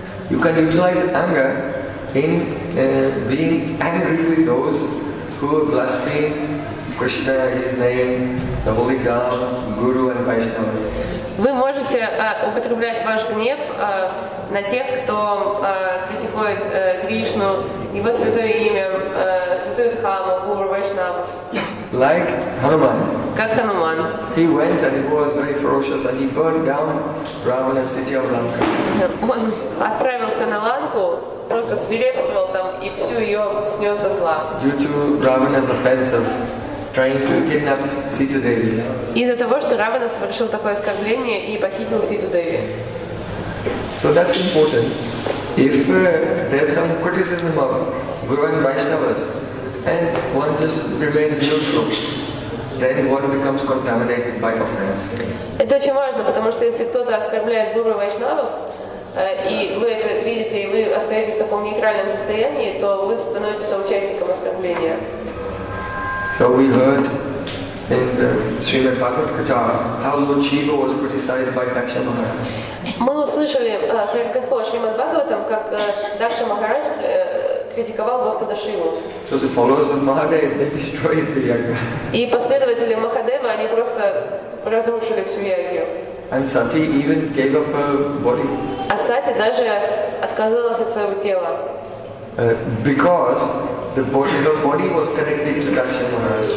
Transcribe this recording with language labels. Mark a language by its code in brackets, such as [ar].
[en] You can utilize anger in being angry with those who blaspheme Krishna, His name, the Holy Dham, Guru and Vaishnavas. [ru] Вы можете употреблять ваш гнев на тех, кто критикует Кришну, Его святое имя, святую Дхаму, Гуру, Вайшнавас. [en] Like Hanuman. [ru] Как Хануман. [en] He went and he was very ferocious and he burned down Ravana's city of Lanka. [ru] Он отправился на Ланку, просто свирепствовал там и всю ее снес до тла. [en] Due to Ravana's offense of trying to kidnap Sita Devi. [ru] Из-за того, что Равана совершил такое оскорбление и похитил Ситу Деви. [en] So that's important. If there's some criticism of Guru and Vaishnavas, and one just remains neutral, then one becomes contaminated by offense. [ru] Это очень важно, потому что если кто-то оскорбляет Гуру Вайшнавов, и вы это видите, и вы остаетесь в таком нейтральном состоянии, то вы становитесь соучастником оскорбления. [en] So we heard in the Srimad Bhagavatam how Lord Shiva was criticized by Daksha Maharaj. [ru] Мы услышали в Шримад Бхагаватам, как Дакша Махарадж критиковал Господа Шиву. [en] So the followers of Mahadeva, they destroyed the Yagya. [ru] И последователи Махадева, они просто разрушили всю Ягью. [en] And Sati even gave up her body. [ru] А Сати даже отказалась от своего тела. [en] Because the body, her body was connected to Daksha Maharaj.